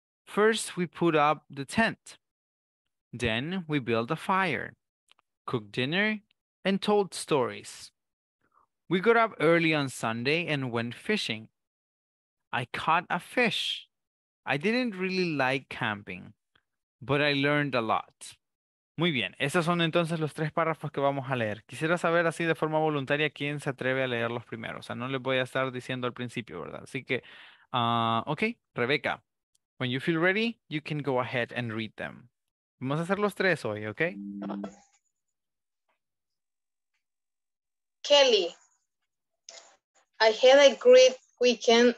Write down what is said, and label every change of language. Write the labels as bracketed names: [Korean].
[English] First, we put up the tent. Then we built a fire, cooked dinner, and told stories. We got up early on Sunday and went fishing. I caught a fish. I didn't really like camping, but I learned a lot. [Spanish] Muy bien, esos son entonces los 3 párrafos que vamos a leer. Quisiera saber así de forma voluntaria quién se atreve a leer los primeros. O sea, no les voy a estar diciendo al principio, ¿verdad? Así que, [English] okay, Rebeca, when you feel ready, you can go ahead and read them. [Spanish] Vamos a hacer los 3 hoy, okay? [English] Kelly. I had a great weekend.